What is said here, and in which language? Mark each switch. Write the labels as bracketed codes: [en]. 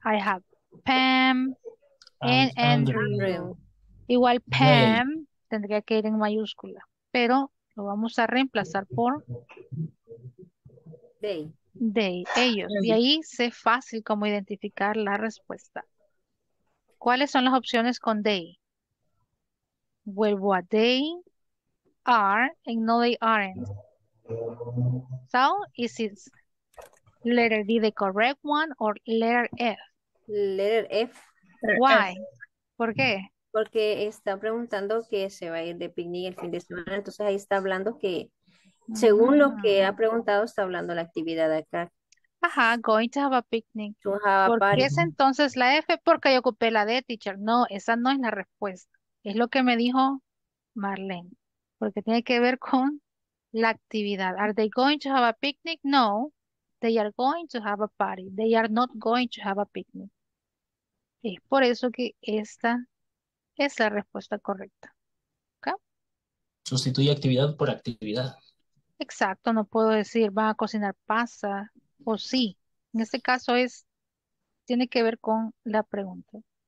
[en] I have Pam and Andrew. [es] Igual Pam tendría que ir en mayúscula, pero lo vamos a reemplazar por [en] they, [es] ellos. Y ahí es fácil como identificar la respuesta. ¿Cuáles son las opciones con they? Vuelvo a [en] they, are, and no they aren't. So, is it letter D the correct one or letter F? Letter F. Why? [es] ¿Por qué? Porque está preguntando que se va a ir de picnic el fin de semana. Entonces ahí está hablando que, según lo que ha preguntado, está hablando la actividad de acá. [en] Ajá, going to have a picnic. To have a [es] ¿Por [en] party. [es] Qué es entonces la F? Porque yo ocupé la D, teacher. No, esa no es la respuesta. Es lo que me dijo Marlene. Porque tiene que ver con la actividad. [en] Are they going to have a picnic? No, they are going to have a party. They are not going to have a picnic. [es] Es por eso que esta es la respuesta correcta. ¿Okay? Sustituye actividad por actividad. Exacto, no puedo decir van a cocinar pasta o sí. En este caso es tiene que ver con la pregunta.